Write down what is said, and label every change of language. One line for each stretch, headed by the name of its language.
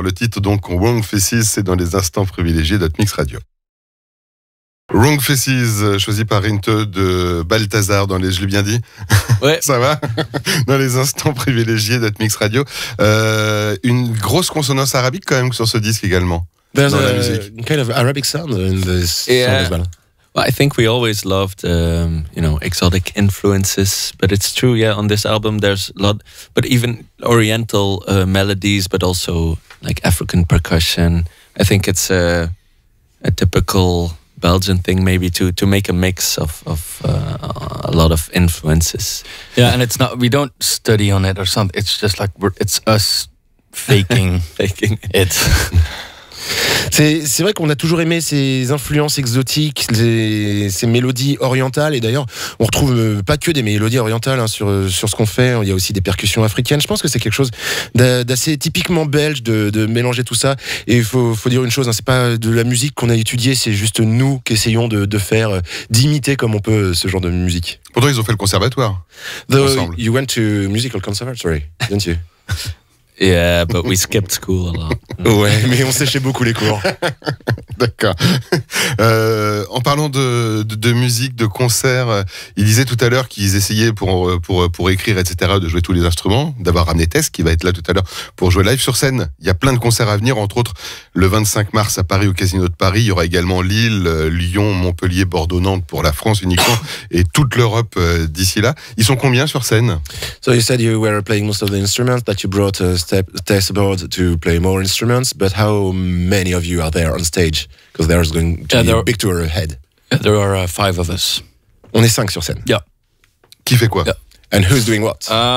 French: Le titre, donc, Wrong Faces, c'est dans les instants privilégiés d'Hot Mix Radio. Wrong Faces, choisi par Rinte de Balthazar dans les... Je l'ai bien dit. Ouais. Ça va? Dans les instants privilégiés d'Hot Mix Radio. Une grosse consonance arabique, quand même, sur ce disque également.
English: There's
French: dans
English: a
French: la musique.
English: Kind of Arabic sound in this song as well. Well, I think we always loved, you know, exotic influences, but it's true, yeah, on this album there's a lot, but even oriental melodies, but also like African percussion. I think it's a typical Belgian thing maybe to make a mix of a lot of influences. Yeah, and it's not, we don't study on it or something, it's just like, it's us faking it.
French: C'est vrai qu'on a toujours aimé ces influences exotiques, ces mélodies orientales. Et d'ailleurs, on retrouve pas que des mélodies orientales hein, sur ce qu'on fait. Il y a aussi des percussions africaines. Je pense que c'est quelque chose d'assez typiquement belge de mélanger tout ça. Et il faut dire une chose, hein, c'est pas de la musique qu'on a étudiée, c'est juste nous qui essayons de faire, d'imiter comme on peut ce genre de musique. Pourtant, ils ont fait le conservatoire.
English: You went to musical conservatory, didn't you? Yeah, but we skipped school a lot.
French: Ouais, mais on séchait beaucoup les cours. D'accord. En parlant de musique, de concert, il disait tout à l'heure qu'ils essayaient pour écrire, etc., de jouer tous les instruments, d'avoir ramené Tess, qui va être là tout à l'heure, pour jouer live sur scène. Il y a plein de concerts à venir, entre autres le 25 mars à Paris, au Casino de Paris. Il y aura également Lille, Lyon, Montpellier, Bordeaux, Nantes, pour la France uniquement, et toute l'Europe d'ici là. Ils sont combien sur scène?
English: So you said you were playing most of the instruments that you brought Tess aboard to play more instruments, but how many of you are there on stage? Because there's going to be a big tour ahead. Yeah, there are 5 of us.
French: On est 5 sur scène.
English: Yeah.
French: Qui fait quoi?
English: Yeah. And who's doing what?